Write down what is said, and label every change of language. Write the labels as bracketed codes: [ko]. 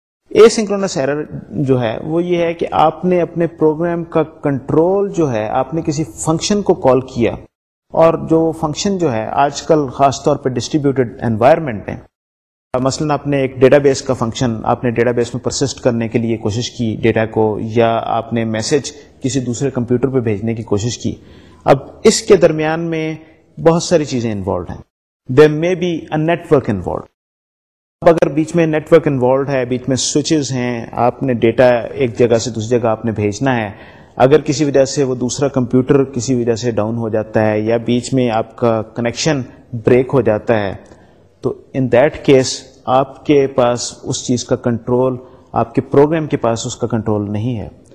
[ur] اے synchronous error جو ہے وہ یہ ہے کہ آپ نے اپنے پروگرام کا کنٹرول جو ہے, آپ نے کسی فنکشن کو کال کیا, اور جو فنکشن جو ہے آج کل خاص طور پہ ڈسٹریبیوٹیڈ انوائرمنٹ میں, مثلا آپ نے ایک ڈیٹا بیس کا فنکشن آپ نے ڈیٹا بیس میں پرسسٹ کرنے کے لیے کوشش کی ڈیٹا کو, یا آپ نے میسج کسی دوسرے کمپیوٹر پہ بھیجنے کی کوشش کی. اب اس کے درمیان میں بہت ساری چیزیں انوالوڈ ہیں. [en] There may be a network involved. [ur] اب اگر بیچ میں [en] network involved [ur] ہے, بیچ میں switches ہیں, آپ نے ڈیٹا ایک جگہ سے دوسری جگہ آپ نے بھیجنا ہے, اگر کسی وجہ سے وہ دوسرا کمپیوٹر کسی وجہ سے ڈاؤن ہو جاتا ہے, یا بیچ میں آپ کا کنیکشن بریک ہو جاتا ہے, تو [en] in that case [ur] آپ کے پاس اس چیز کا کنٹرول, آپ کے پروگرام کے پاس اس کا کنٹرول نہیں ہے.